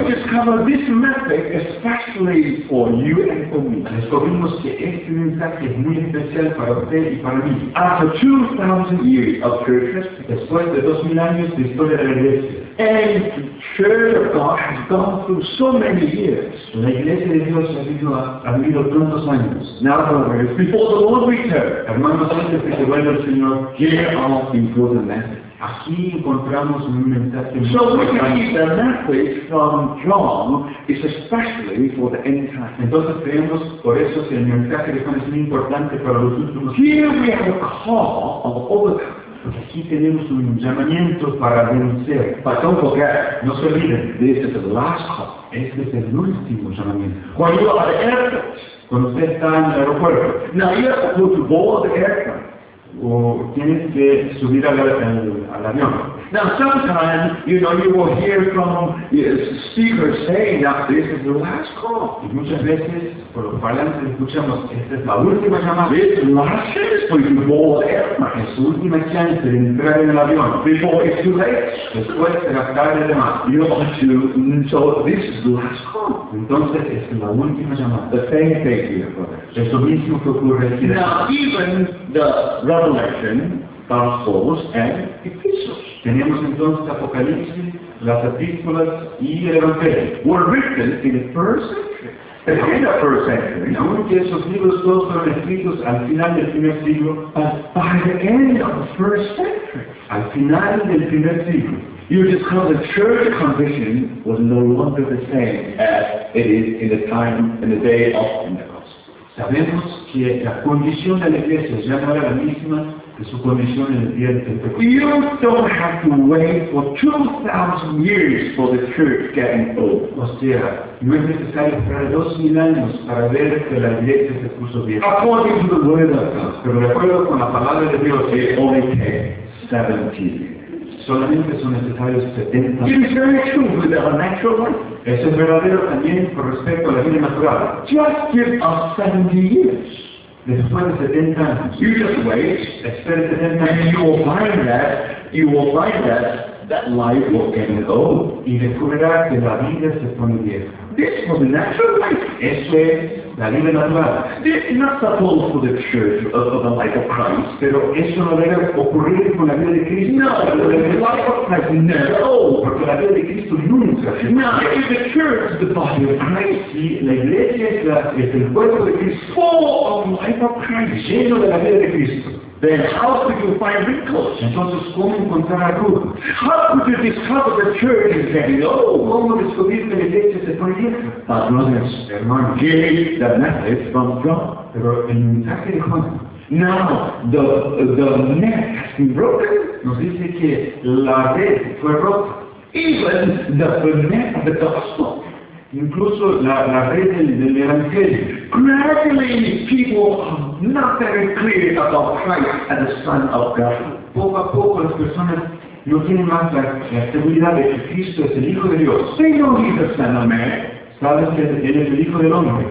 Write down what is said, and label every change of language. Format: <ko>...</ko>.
<en>you discover this message especially for you and for me.</en> <es>Descubrimos que este mensaje es muy especial para usted y para mí.</es> <en>After 2,000 years of church history,</en> <es>después de 2,000 años de historia de la iglesia,</es> <en>and the Church of God has gone through so many years,</en> <es>la iglesia de Dios ha vivido tantos años.</es> <en>Now, brothers, before the Lord returns,</en> <es>hermanos, antes de que vuelva el Señor,</es> <en>here are the important messages.</en> <es>Aquí encontramos un mensaje.</es> <en>So we can see the message from John is especially for the end time.</en> <es>Entonces creemos por eso que el mensaje de Juan es muy importante para los últimos.</es> <en>Here we have a call of overcome.</en> <es>Porque aquí tenemos un llamamiento para vencer.</es> <en>But don't forget,</en> <es>no se olviden,</es> <en>this is the last call.</en> <es>Este es el último llamamiento.</es> <en>When you are at the airport,</en> <es>cuando usted está en el aeropuerto,</es> <en>now you have to go to board the airport.</en> <es>O tienes que subir al avión.</es> <en>Now, sometimes, you know, you will hear from speakers saying that this is the last call.</en> <es>Y muchas veces, por los parlantes, escuchamos, esta es la última llamada.</es> <en>This last chance for you to board the airplane.</en> <es>Es su última chance de entrar en el avión.</es> <en>Before it's too late.</en> <es>Después de la tarde de más.</es> <en>You want to, so this is the last call.</en> <es>Entonces, es la última llamada.</es> <en>The same thing here, brother.</en> <es>Es lo mismo que ocurre aquí.</es> <en>Now, even the Revelation, Gospels, and Epistles.</en> <es>Tenemos entonces Apocalipsis, las Epístolas y el Evangelio.</es> <en>Were written in the first century. In the first century.</en> <es>No, aunque esos libros todos fueron escritos al final del primer siglo.</es> <en>But by the end of the first century.</en> <es>Al final del primer siglo.</es> <en>You just know the church condition was no longer the same as it is in the time, in the day of Pentecost.</en> <es>Sabemos que la condición de la iglesia ya no era la misma.</es> <en>You don't have to wait for 2,000 years for the church getting old.</en> <es>O sea, no es necesario esperar 2,000 años para ver que la iglesia se puso bien.</es> <en>According to the word of God,</en> <es>pero de acuerdo con la palabra de Dios,</es> <en>it only takes 70 years.</en> <es>Solamente son necesarios 70 años.</es> <en>It is very true with our natural life.</en> <es>Eso es verdadero también con respecto a la vida natural.</es> <en>Just give us 70 years.</en> <es>Después de 70 años,</es> <en>you just wait,</en> <es>espera 70 años,</es> <en>and you will find that life will get old.</en> <es>Y descubrirá que la vida se pone vieja.</es> <en>This was the natural life.</en> <es>Eso es la vida natural.</es> <en>This is not supposed for the church of the life of Christ.</en> <es>Pero eso no debe ocurrir con la vida de Cristo.</es> <en>No, the life of Christ is never old.</en> <es>Porque la vida de Cristo nunca se pone vieja.</es> <en>Now, if the church is the body of Christ,</en> <es>y la iglesia es el cuerpo de Cristo,</es> <en>full of life of Christ,</en> <es>lleno de la vida de Cristo,</es> <en>then how could you find wrinkles?</en> <es>Entonces, ¿cómo encontrar arrugas?</es> <en>How could you discover the church is getting old?</en> <es>¿Cómo descubrir que la iglesia se pone vieja?</es> <en>But brothers,</en> <es>hermanos,</es> <en>give the message from John.</en> <es>Pero el mensaje de Juan.</es> <en>Now, the net has been broken.</en> <es>Nos dice que la red fue rota.</es> <en>Even the net of the gospel.</en> <es>Incluso la red del Evangelio.</es> <en>Gradually, people are not very clear about Christ as the Son of God.</en> <es>Poco a poco las personas no tienen más la seguridad de que Cristo es el Hijo de Dios.</es> <en>They know He's the Son of Man.</en> <es>Sabes que Él es el Hijo del Hombre.</es>